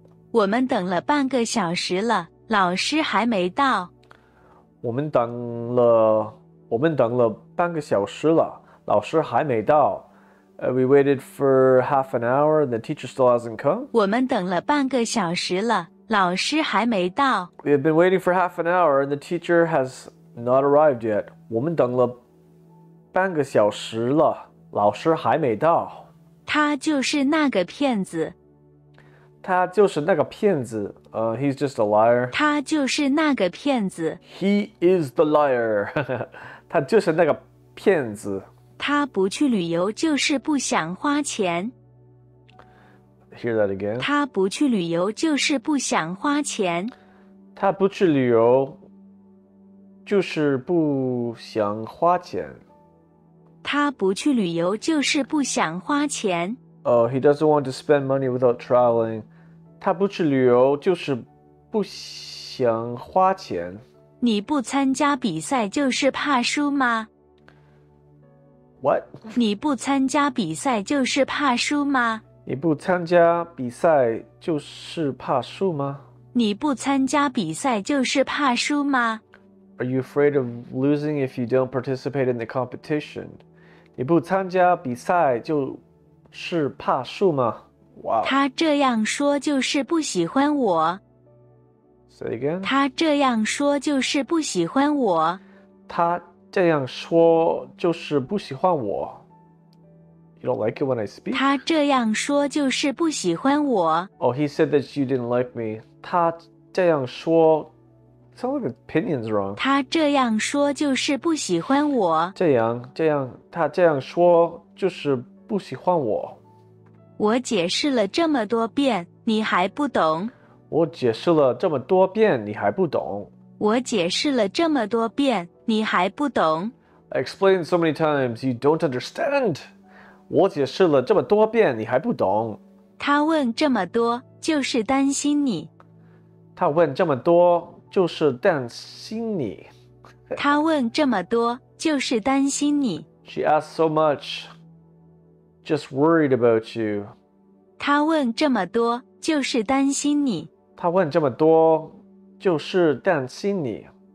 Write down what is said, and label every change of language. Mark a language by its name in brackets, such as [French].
[Chinese] 我们等了半个小时了，老师还没到。我们等了半个小时了，老师还没到。 [English] We waited for half an hour, and the teacher still hasn't come. [Chinese] 我们等了半个小时了，老师还没到。 [English] We have been waiting for half an hour and the teacher has not arrived yet. [Chinese] 我们等了半个小时了，老师还没到。他就是那个骗子。他就是那个骗子。 [English] He's just a liar. [Chinese] 他就是那个骗子。 [English] He is the liar. [Chinese] 他就是那个骗子。他不去旅游就是不想花钱。 [English] Hear that again. [Chinese] 他不去旅游就是不想花钱。他不去旅游就是不想花钱。他不去旅游就是不想花钱。 [English] He doesn't want to spend money without traveling. [Chinese] 他不去旅游就是不想花钱。你不参加比赛就是怕输吗？ [English] What? [Chinese] 你不参加比赛就是怕输吗？你不参加比赛就是怕输吗？你不参加比赛就是怕输吗？ [English] Are you afraid of losing if you don't participate in the competition? [Chinese] 你不参加比赛就是怕输吗？ [English] Wow. [Chinese] 他这样说就是不喜欢我。 [English] Say again? [Chinese] 他这样说就是不喜欢我。他这样说就是不喜欢我。 [English] You don't like it when I speak? [Chinese] 他这样说就是不喜欢我。 [English] Oh, he said that you didn't like me. [Chinese] 他这样说 [English] sounds like opinion's wrong. [Chinese] 他这样说就是不喜欢我。这样，他这样说就是不喜欢我。我解释了这么多遍，你还不懂？我解释了这么多遍，你还不懂？我解释了这么多遍，你还不懂？ [English] I explained so many times, you don't understand. [Chinese] 我解释了这么多遍，你还不懂？他问这么多，就是担心你。他问这么多，就是担心你。他问这么多，就是担心你。 [English] She asked so much, just worried about you. [Chinese] 他问这么多，就是担心你。他问这么多，就是担心你。